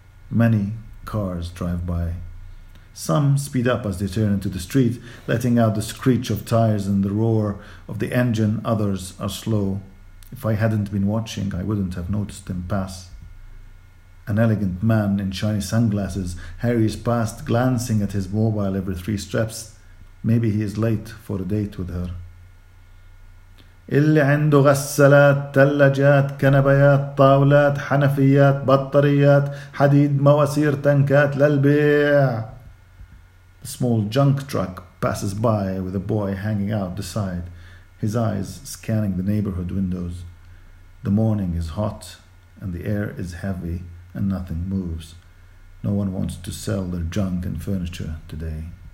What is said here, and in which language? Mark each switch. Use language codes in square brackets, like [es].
[en] Many cars drive by. Some speed up as they turn into the street, letting out the screech of tires and the roar of the engine. Others are slow. If I hadn't been watching, I wouldn't have noticed them pass. An elegant man in shiny sunglasses hurries past, glancing at his mobile every three steps. Maybe he is late for a date with her. [ar] اللي عنده غسالات ثلاجات كنبيات طاولات حنفيات بطاريات حديد مواسير تنكات للبيع. [en] The small junk truck passes by with a boy hanging out the side, his eyes scanning the neighborhood windows. The morning is hot and the air is heavy and nothing moves. No one wants to sell their junk and furniture today.